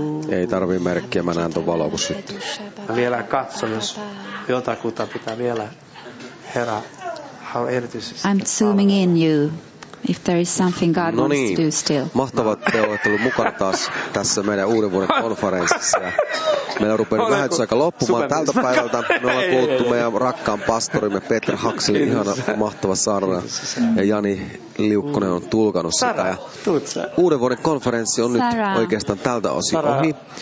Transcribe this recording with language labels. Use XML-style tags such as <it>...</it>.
<fi>Ei tarvii merkkiä, mä näen ton valon, kun syttyy. Mä vielä katson, jos jotakuta pitää vielä herää.</fi> <en>I'm zooming in you if there is something God</en> <fi>no niin,</fi> <en>wants to do still.</en> <fi>Mahtavaa, että olette olleet mukana taas tässä meidän uuden vuoden konferenssissa. Meillä on rupeanut lähetys aika loppumaan tältä päivältä. Me ollaan kuultu meidän rakkaan pastorimme Petri Haksin ihana mahtava sarja. Ja Jani Liukkonen on tulkannut sitä. Ja uuden vuoden konferenssi on nyt oikeastaan tältä osin ohi.</fi>